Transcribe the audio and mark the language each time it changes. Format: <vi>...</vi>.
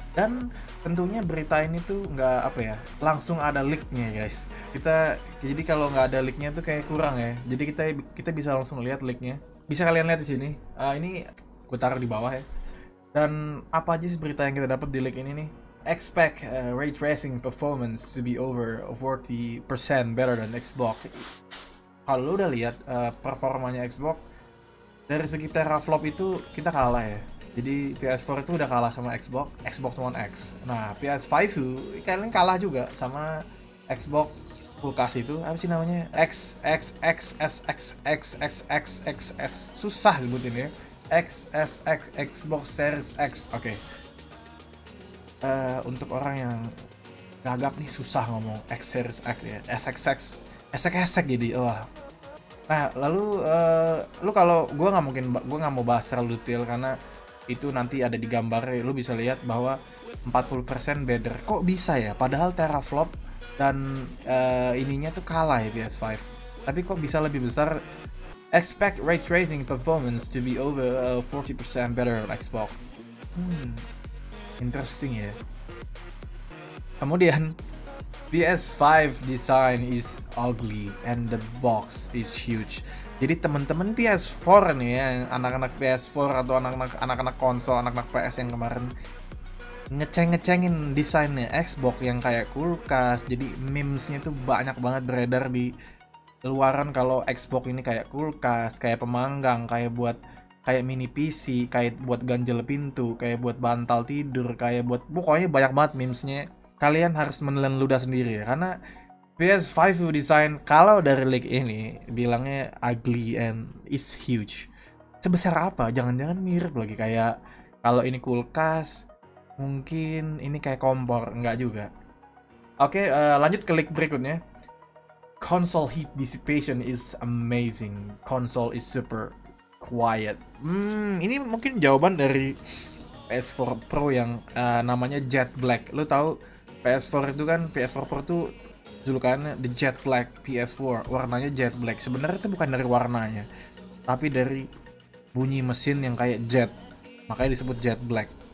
<id>Dan tentunya berita ini tuh nggak apa ya, langsung ada leak-nya guys. Kita jadi kalau nggak ada leak-nya tuh kayak kurang ya. Jadi kita bisa langsung lihat leak-nya. Bisa kalian lihat di sini. Ini gue taruh di bawah ya. Dan apa aja sih berita yang kita dapat di leak ini nih?</id> <en>Expect ray tracing performance to be over 40% better than Xbox.</en> <id>Kalau lo udah lihat performanya Xbox dari segi teraflop itu kita kalah ya. Jadi PS4 itu udah kalah sama Xbox One X. Nah, PS5 itu kayaknya kalah juga sama Xbox kulkas itu. Apa sih namanya? XXXXXXXXXX. Susah disebutin ya. XXX Xbox Series X. Oke. Untuk orang yang gagap nih susah ngomong X Series X ya. XXX. Esek-esek jadi. Wah. Nah, lalu lu kalau gue nggak mau bahas terlalu detail karena itu nanti ada di gambar, lu bisa lihat bahwa 40% better. Kok bisa ya? Padahal teraflop dan ininya tuh kalah ya PS5. Tapi kok bisa lebih besar?</id> <en>Expect ray tracing performance to be over 40% better on Xbox. Interesting ya.</en> <id>Kemudian</id> <en>PS5 design is ugly and the box is huge.</en> <id>Jadi teman-teman PS4 nih ya, anak-anak PS4 atau anak-anak konsol, anak-anak PS yang kemarin ngeceng-ngecengin desainnya Xbox yang kayak kulkas. Jadi memes-nya tuh banyak banget beredar di luaran kalau Xbox ini kayak kulkas, kayak pemanggang, kayak buat kayak mini PC, kayak buat ganjel pintu, kayak buat bantal tidur, kayak buat pokoknya banyak banget memes-nya. Kalian harus menelan ludah sendiri ya, karena PS5 design kalau dari leak ini bilangnya</id> <en>ugly and is huge.</en> <id>Sebesar apa? Jangan-jangan mirip lagi kayak kalau ini kulkas, mungkin ini kayak kompor, enggak juga. Oke, lanjut ke leak berikutnya.</id> <en>Console heat dissipation is amazing. Console is super quiet.</en> <id>Ini mungkin jawaban dari PS4 Pro yang namanya Jet Black. Lu tahu PS4 itu kan, PS4 Pro itu julukannya the Jet Black PS4, warnanya Jet Black. Sebenarnya itu bukan dari warnanya, tapi dari bunyi mesin yang kayak jet, makanya disebut Jet Black.</id>